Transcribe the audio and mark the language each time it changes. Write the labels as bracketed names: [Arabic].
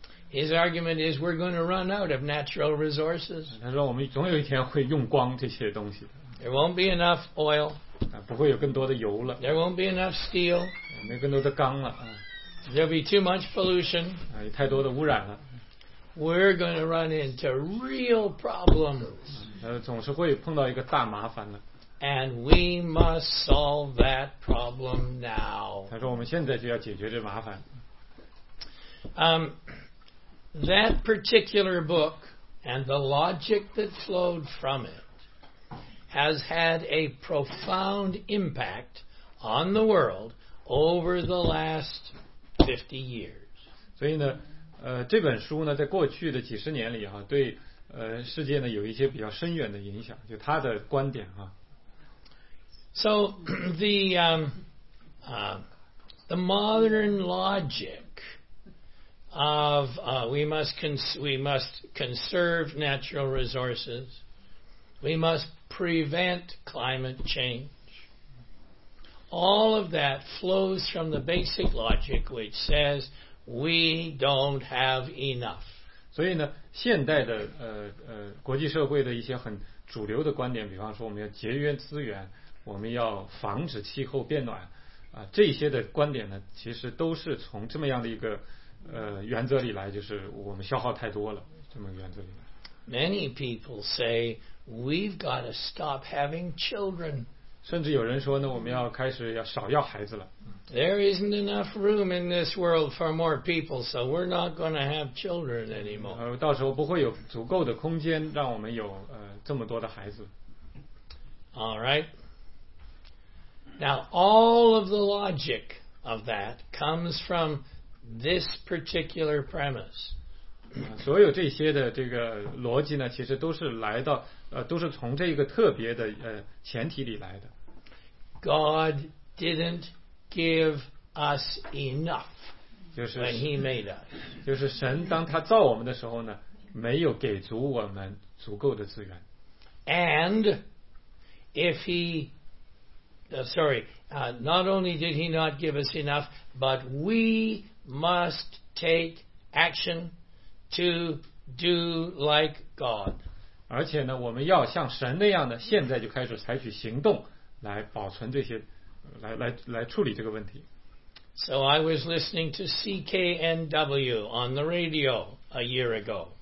[English] His argument is we're going to run out of natural resources. [Chinese] 他说我们总有一天会用光这些东西。 [English] There won't be enough oil. [Chinese] 不会有更多的油了。 [English] There won't be enough steel. [Chinese] 没更多的钢了、 [English] There'll be too much pollution. [Chinese] 有太多的污染了。 [English] We're going to run into real problems. [Chinese] 总是会碰到一个大麻烦了。 [English] And we must solve that problem now. [Chinese] 他说我们现在就要解决这麻烦。 [English] That particular book and the logic that flowed from it has had a profound impact on the world over the last 50 years. [Chinese] 所以呢，这本书呢，在过去的几十年里哈，对世界呢有一些比较深远的影响，就他的观点哈。 [English] So the modern logic of we must conserve natural resources, we must prevent climate change. All of that flows from the basic logic which says we don't have enough. [Chinese] 所以呢，现代的国际社会的一些很主流的观点，比方说我们要节约资源。我们要防止气候变暖，这些的观点呢，其实都是从这么样的一个原则里来，就是我们消耗太多了，这么原则里来。 [English] Many people say we've got to stop having children. [Chinese] 甚至有人说呢，我们要开始要少要孩子了。 [English] There isn't enough room in this world for more people, so we're not going to have children anymore. [Chinese] 到时候不会有足够的空间让我们有这么多的孩子。 [English] All right. Now, all of the logic of that comes from this particular premise. [Chinese] 所有这些的这个逻辑呢，其实都是来到都是从这个特别的前提里来的。 [English] God didn't give us enough when He made us. [Chinese] 就是神当他造我们的时候呢，没有给足我们足够的资源。 [English] And if He not only did he not give us enough, but we must take action to do like God. [Chinese] 而且呢，我们要像神那样的，现在就开始采取行动来保存这些，来处理这个问题。 [English] So I was listening to CKNW on the radio a year ago.